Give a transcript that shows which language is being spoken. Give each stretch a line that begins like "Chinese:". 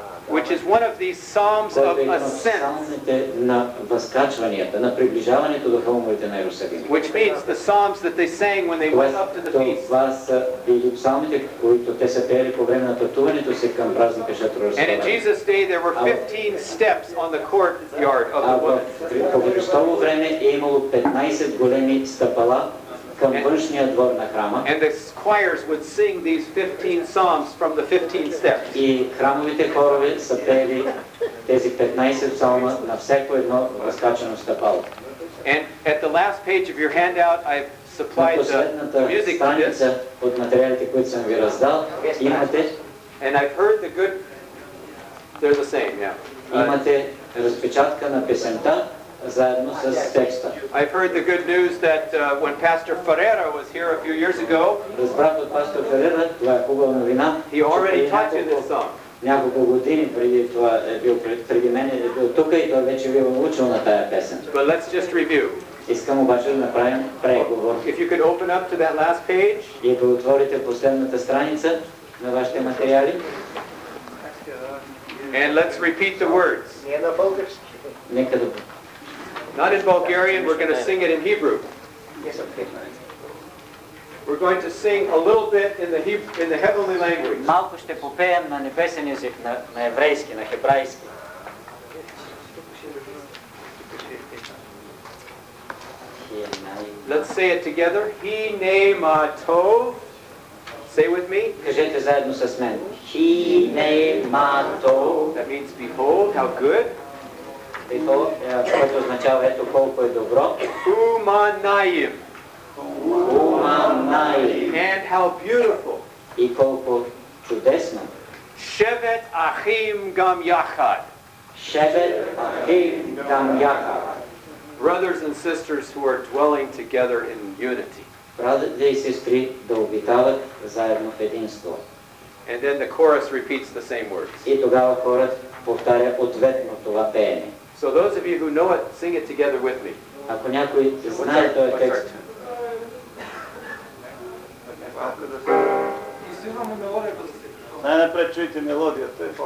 English: Which is one of these psalms of ascent.
Bulgarian: Псалмите на възкачванията, на приближаването до хълмовете на Йерусалим.
English: Which means the psalms that they sang when they went up to the feast.
Bulgarian: Това са били псалмите, които те са пели по време на пътуването си към празника Шатрорска.
English: And in Jesus' day there were 15 steps on the courtyard of the woman.
Bulgarian: По Христово време е имало 15 големи стъпала към външния двор на храма.
English: And the choirs would sing these 15 psalms from the 15 steps.
Bulgarian: И храмовите хорове са пели тези 15 псалма на всяко едно разкачано стъпало.
English: And at the last page of your handout I've supplied the music
Bulgarian: страница от материалите, които съм ви раздал. Имате.
English: And I've heard the good they're the same, yeah.
Bulgarian: Имате разпечатка на песента заедно с текста.
English: I've heard the good news that when Pastor Ferreira was here a few years ago,
Bulgarian: разбрах от Пастор Ферреира, това е хубава новина.
English: He already taught you this song.
Bulgarian: Няколко години преди това е бил преди мен, е бил тук и той вече ви е научил на тая песен.
English: But let's just review.
Bulgarian: Искам обаче да направим преговор.
English: If you could open up to that last page.
Bulgarian: И ако отворите последната страница на вашите материали.
English: And let's repeat the words.
Bulgarian: Нека да.
English: Not in Bulgarian, we're going to sing it in Hebrew. Yes, okay. We're going to sing a little bit in the heavenly language.
Bulgarian: Малко ще попеем на небесен език, на еврейски, на хебрейски.
English: Let's say it together.
Hebrew: He name Tov.
English: Say with me.
Bulgarian: Кажете заедно с мен.
Hebrew: He name Tov.
English: That means behold, how good.
Bulgarian: Което означава ето колко е добро.
Hebrew: Уманаим. Уманаим.
English: And how beautiful.
Bulgarian: И колко чудесно.
Hebrew: Шевет Ахим Гам Яхад. Шевет Ахим Гам Яхад.
English: Brothers and sisters who are dwelling together in unity.
Bulgarian: Братите и сестри да обитават заедно в единство.
English: And then the chorus repeats the same words.
Bulgarian: И тогава хорът повтаря ответно това пеене.
English: So those of you who know it, sing it together with me.
Bulgarian: Ако някой знае този текст. Най-напред чуйте мелодията.